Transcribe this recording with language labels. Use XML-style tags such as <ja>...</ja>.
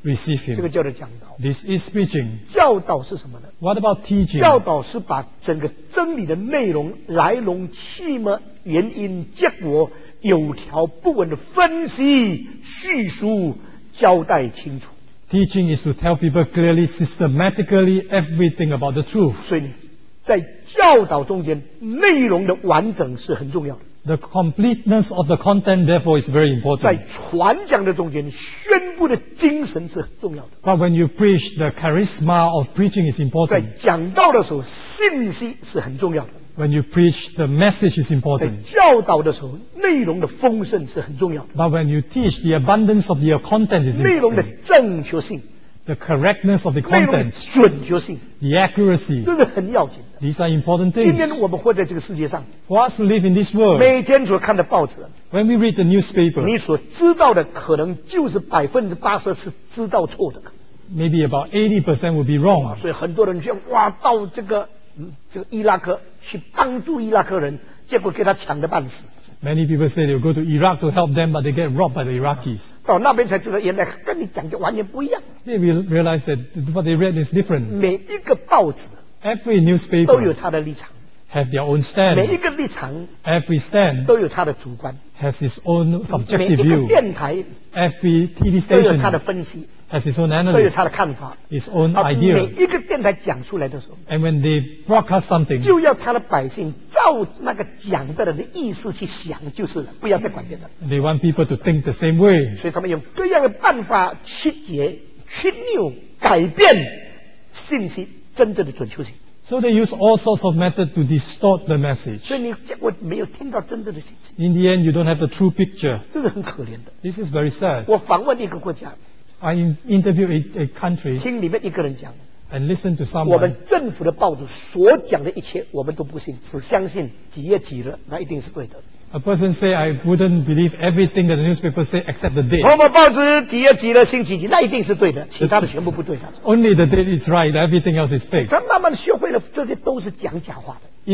<en>Receive him.</en> <zh>这个叫做讲道。</zh> <en>This is preaching.</en> <zh>教导是什么呢？</zh> <en>What about teaching?</en> <zh>教导是把整个真理的内容、来龙去脉、原因、结果，有条不紊的分析、叙述、交代清楚。</zh> <en>Teaching is to tell people clearly, systematically everything about the truth.</en> <zh>所以，在教导中间，内容的完整是很重要的。</zh> <en>The completeness of the content, therefore, is very important.</en> <zh>在传讲的中间，宣布的精神是很重要的。</zh> <en>But when you preach, the charisma of preaching is important.</en> <zh>在讲道的时候，信息是很重要的。</zh> <en>When you preach, the message is important.</en> <zh>在教导的时候，内容的丰盛是很重要的。</zh> <en>But when you teach, the abundance of your content is important.</en> <zh>内容的正确性。</zh> <en>The correctness of the content.</en> <zh>内容的准确性。</zh> <en>The accuracy.</en> <zh>这是很要紧的。</zh> <en>These are important things.</en> <zh>今天我们活在这个世界上。</zh> <en>For us to live in this world.</en> <zh>每天所看的报纸。</zh> <en>When we read the newspaper.</en> <zh>你所知道的可能就是 80% 是知道错的。</zh> <en>Maybe about 80% would be wrong.</en> <zh>所以很多人像哇到这个这个伊拉克去帮助伊拉克人，结果给他抢得半死。</zh> <en>Many people say they will go to Iraq to help them, but they get robbed by the Iraqis.</en> <zh>到那边才知道，原来跟你讲的完全不一样。</zh> <en>They will realize that what they read is different.</en> <zh>每一个报纸</zh> <en>，every newspaper</en> <zh>都有他的立场</zh> <en>，have their own stand.</en> <zh>每一个立场</zh> <en>，every stand</en> <zh>都有他的主观</zh> <en>，has its own subjective view.</en> <zh>每一个电台</zh> <en>，every TV station</en> <zh>都有他的分析。</zh> <en>Has its own analysis,</en> <zh>都有他的看法</zh> <en>his own idea.</en> <zh>每一个电台讲出来的时候</zh> <en>And when they broadcast something,</en> <zh>就要他的百姓照那个讲的人的意思去想就是了不要再管别人</zh> <en>They want people to think the same way</en> <zh>所以他们用各样的办法曲解曲扭改变信息真正的准确性</zh> <en>So they use all sorts of methods to distort the message</en> <zh>所以你结果没有听到真正的信息</zh> <en>In the end you don't have the true picture</en> <zh>这是很可怜的</zh> <en>This is very sad</en> <zh>我访问一个国家</zh> <en>I interviewed a country.</en> <zh>听里面一个人讲。</zh> <en>And listen to someone.</en> <zh>我们政府的报纸所讲的一切，我们都不信，只相信几页几日，那一定是对的。</zh> <en>A person say I wouldn't believe everything that the newspaper say except the date.</en> <zh>我们报纸几页几日，星期几，那一定是对的，其他的全部不对的。</zh> <en>Only the date is right. Everything else is fake.</en> <zh>他慢慢学会了，这些都是讲假话的。</zh>